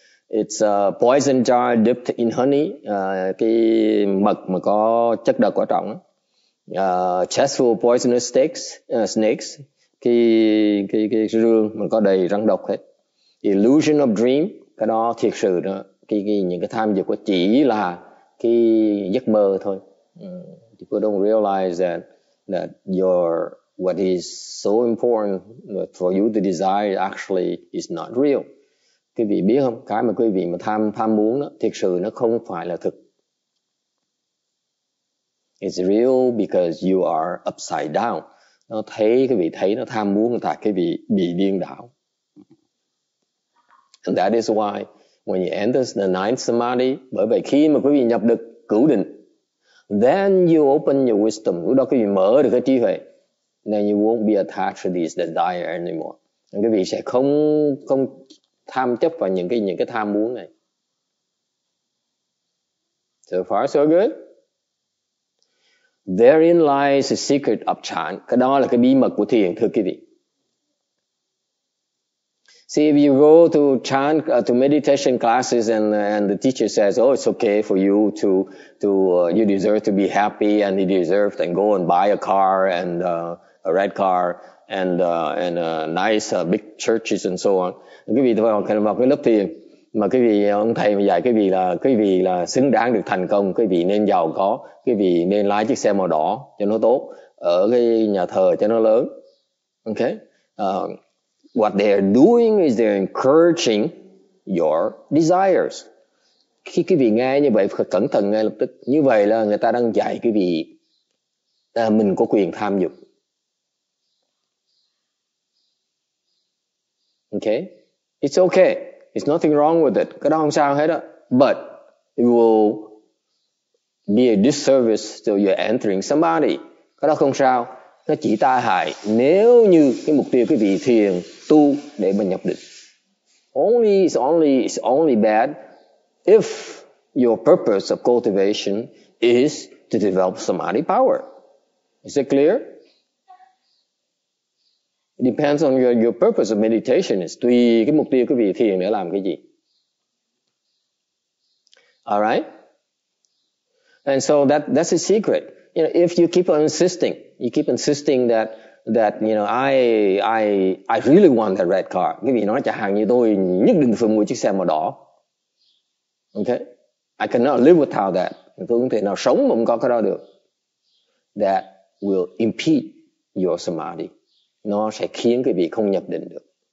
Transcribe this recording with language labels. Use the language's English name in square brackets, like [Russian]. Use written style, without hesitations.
[English] It's a poison jar dipped in honey, [Vietnamese] cái mật mà có chất độc quá trọng. [English] Chest full of poisonous snakes, [Vietnamese] cái rương mà có đầy rắn độc hết. [English] Illusion of dream, [Vietnamese] cái đó thiệt sự đó, cái những cái tham dục của chỉ là cái giấc mơ thôi. [English] People don't realize that your what is so important for you to desire actually is not real. [Vietnamese] Quý vị biết không? Cái mà quý vị mà tham muốn đó, thực sự nó không phải là thực. [English] It's real because you are upside down. [Vietnamese] Nó thấy, quý vị thấy nó tham muốn tại quý vị bị điên đảo. [English] And that is why when you enter the ninth samadhi, [Vietnamese] bởi vậy khi mà quý vị nhập được cửu định, [English] then you open your wisdom. [Vietnamese] Lúc đó quý vị mở được cái trí huệ. [English] Then you won't be attached to these desire anymore. [Vietnamese] Quý vị sẽ không tham chấp vào những cái tham muốn này. [English] So far so good. Therein lies the secret of chan. [Vietnamese] Cái đó là cái bí mật của thiền, thưa quý vị. [English] See, if you go to chan to meditation classes and the teacher says, oh, it's okay for you to you deserve to be happy and you deserve to go and buy a car and a red car and a nice big churches and so on. [Vietnamese] Quý vị thôi vào cái lớp thiền mà quý vị ông thầy mà dạy quý vị là xứng đáng được thành công, quý vị nên giàu có, quý vị nên lái chiếc xe màu đỏ cho nó tốt, ở cái nhà thờ cho nó lớn. [English] Okay. What they are doing is they're encouraging your desires. [Vietnamese] Khi quý vị nghe như vậy cẩn thận ngay lập tức, như vậy là người ta đang dạy quý vị mình có quyền tham dục. [English] Okay, it's okay. It's nothing wrong with it. [Vietnamese] Cái đó không sao hết á. [English] But it will be a disservice to your entering somebody. [Vietnamese] Cái đó không sao. Nó chỉ tai hại nếu như cái mục tiêu quý vị thiền tu để mà nhập định. [English] It's only bad if your purpose of cultivation is to develop samadhi power. Is it clear? depends on your purpose of meditation is [Vietnamese] tùy cái mục tiêu quý vị thiền để làm cái gì. [English] All right? And so that's a secret. You know, if you keep on insisting, that I really want that red car. [Vietnamese] Quý vị nói chẳng hạn như tôi nhất định phải mua chiếc xe màu đỏ. Okay? [English] I cannot live without that. [Vietnamese] Tôi không thể nào sống mà không có cái đó được. [English] That will impede your samadhi. [Vietnamese] Nó sẽ khiến quý vị không nhập định được.